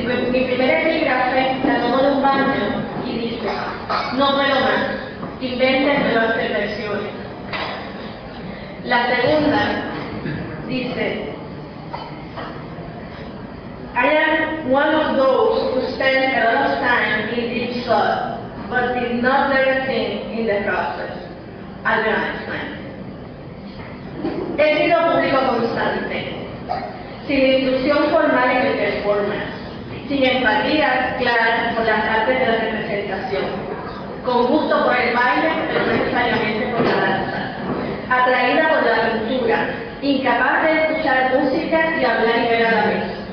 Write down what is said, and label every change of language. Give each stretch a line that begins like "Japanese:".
Spanish: mi primera epígrafe la tomo de un baño y dice: no puedo más, inventen nuevas perversiones. La segunda dice:
English: I am one of those who spent a lot of time in deep thought, but did not learn a thing in the process. Albert Einstein.
Spanish: He sido público constante, sin instrucción formal y de formas, sin empatía clara por las artes de la representación, con gusto por el baile, pero no necesariamente por la danza, atraída por la cultura, incapaz de escuchar música y hablar y ver a la vez,